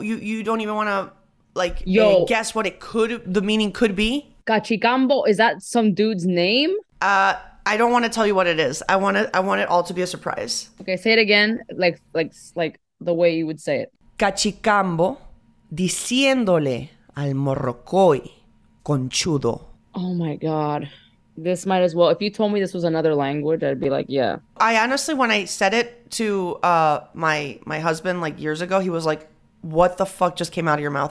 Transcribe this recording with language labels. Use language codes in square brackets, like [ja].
[en] You don't even want to, like, yo, guess what the meaning could be? Cachicambo, is that some dude's name? I don't want to tell you what it is. I want it all to be a surprise. Okay, say it again, like the way you would say it. [es] Cachicambo diciéndole al morrocoy Conchudo. [en] Oh my God. This might as well. If you told me this was another language, I'd be like, yeah. I honestly, when I said it to my husband like years ago, he was like, what the fuck just came out of your mouth?